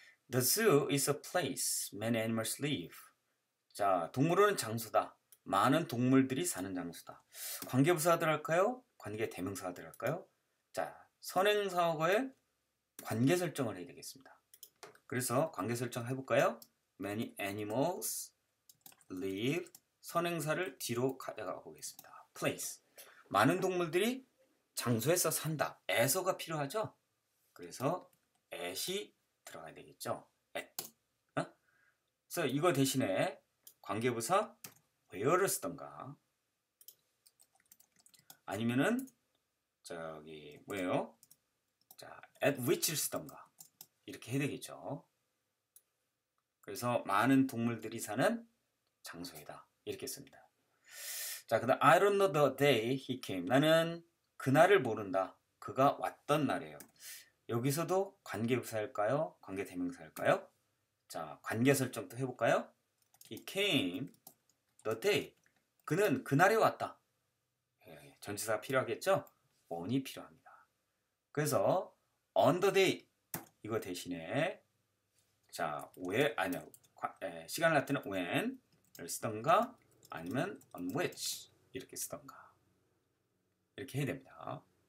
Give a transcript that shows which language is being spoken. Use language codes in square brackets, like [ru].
[en] The zoo is a place many animals live. [ko] 자, 동물원은 장소다. 많은 동물들이 사는 장소다. 관계부사 하더랄까요? 관계 대명사 하더랄까요? 자, 선행사어의 관계 설정을 해야 되겠습니다. 그래서 관계 설정 해볼까요? [en] Many animals live. [ko] 선행사를 뒤로 가져가 보겠습니다. [en] Place. [ko] 많은 동물들이 장소에서 산다. at가 필요하죠? 그래서 at이 들어가야 되겠죠? [en] at. [ko] 그래서 이거 대신에 관계부사 where를 쓰던가 아니면은 저기 뭐예요? 자, at which를 쓰던가 이렇게 해야 되겠죠. 그래서 많은 동물들이 사는 장소이다 이렇게 씁니다. 자, 그다음 [en] I don't know the day he came. [ko] 나는 그날을 모른다. 그가 왔던 날이에요. 여기서도 관계부사일까요? 관계대명사일까요? 자, 관계 설정도 해볼까요? [en] He came the day. [ko] 그는 그날에 왔다. 전치사가 필요하겠죠? on이 필요합니다. 그래서 on the day 이거 대신에 자, where 아니요 시간을 나타내는 when을 쓰던가 아니면 on which 이렇게 쓰던가 이렇게 해야 됩니다.